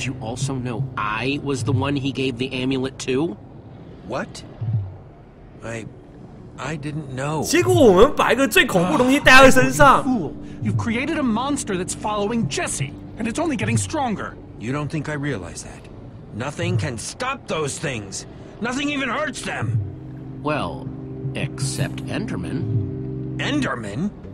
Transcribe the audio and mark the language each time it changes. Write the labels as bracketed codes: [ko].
[en] You also know I was the one he gave the amulet to. What? I didn't know. [zh] 结果我们把一个最恐怖的东西带在身上。 [en] Fool! You've created a monster that's following Jesse, and it's only getting stronger. You don't think I realize that? Nothing can stop those things. Nothing even hurts them. Well, except Enderman. Enderman?